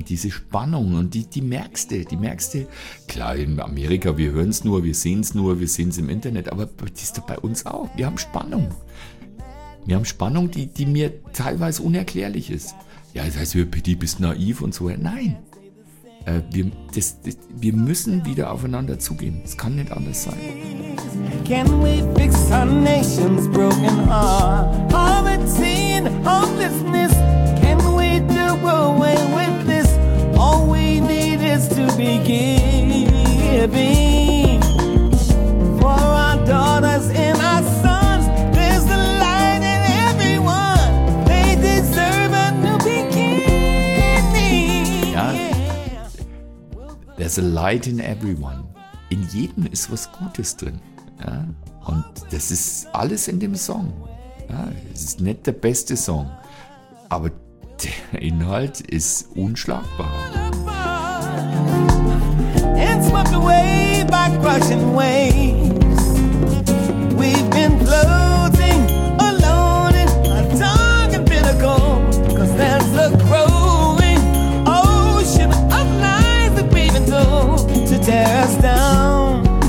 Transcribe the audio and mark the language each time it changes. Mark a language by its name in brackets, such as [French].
[German] Diese Spannung und die merkst du. Klar, in Amerika, wir hören es nur, wir sehen es nur, wir sehen es im Internet, aber die ist da bei uns auch. Wir haben Spannung. Wir haben Spannung, die mir teilweise unerklärlich ist. Ja, das heißt, du bist naiv und so. Nein. Wir müssen wieder aufeinander zugehen. Es kann nicht anders sein. [English] Can we fix our nation's broken heart? Poverty and homelessness. Away with this, all we need is to be giving for our daughters and our sons. There's the light in everyone. They deserve a new beginning. Yeah. There's a light in everyone. [German] In jedem ist was Gutes drin. Ja? Und das ist alles in dem Song. Ja, es ist nicht der beste Song, aber der Inhalt ist unschlagbar. [English] And swept away by crushing waves. We've been floating alone in a dark and bitter cold. 'Cause there's a growing ocean of lies that we've been told to tear us down.